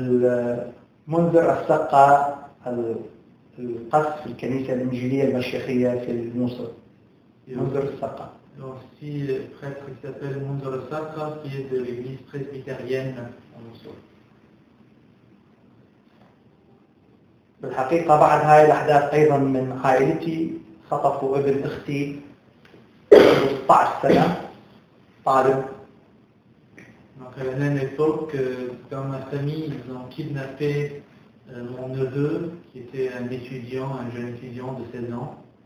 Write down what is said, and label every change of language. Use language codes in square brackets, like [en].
[ar] والمنذر السقى القصف في الكنيسة الإنجيلية المشيخية في الموصل. منذر السقى. [fr] aussi le prêtre qui s'appelle Munzer Saqqa qui est de l'église presbytérienne en Moussoul. [ar] بالحقيقة بعد هاي الأحداث أيضا من عائلتي خطفوا ابن أختي 16 سنة طالب. [fr] Donc à la même époque, dans ma famille, ils ont kidnappé mon neveu, qui était un étudiant, un jeune étudiant de 16 ans.